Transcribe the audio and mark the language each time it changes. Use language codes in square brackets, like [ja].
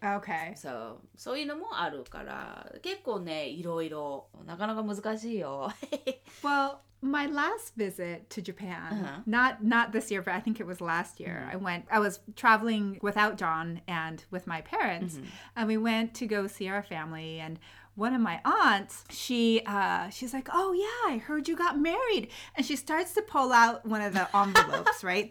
[en] Okay. [ja] So, そういうのもあるから、結構ね、いろいろ、なかなか難しいよ。 [en] Well... My last visit to Japan,、 uh-huh. not this year, but I think it was last year,、mm-hmm. I was traveling without John and with my parents,、 mm-hmm. and we went to go see our family, and one of my aunts, she's like, oh yeah, I heard you got married. And she starts to pull out one of the envelopes, right?